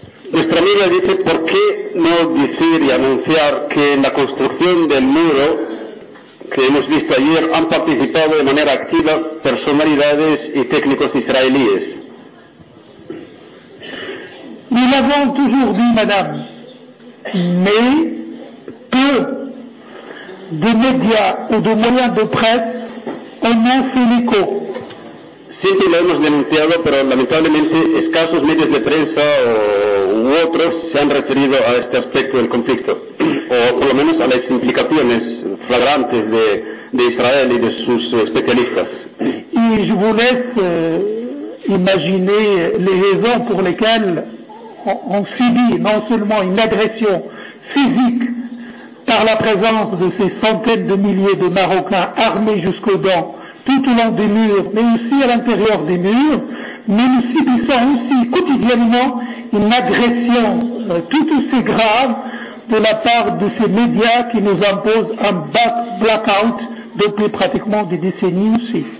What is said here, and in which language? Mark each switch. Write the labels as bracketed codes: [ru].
[es] Nuestra amiga dice, ¿por qué no decir y anunciar que en la construcción del muro que hemos visto ayer han participado de manera activa personalidades y técnicos israelíes? [fr] Nous l'avons toujours dit, madame, mais peu de médias ou de moyens de presse ont non fait l'écho. [es] Siempre lo hemos denunciado, pero lamentablemente escasos medios de prensa u otros se han referido a este aspecto del conflicto, o por lo menos a las implicaciones flagrantes de Israel y de sus especialistas. [fr] Y je vous laisse imaginer les raisons pour lesquelles ont subi non seulement une agression physique par la présence de ces centaines de milliers de Marocains armés jusqu'aux dents tout au long des murs, mais aussi à l'intérieur des murs, mais nous subissons aussi quotidiennement une agression tout aussi grave de la part de ces médias qui nous imposent un blackout depuis pratiquement des décennies aussi.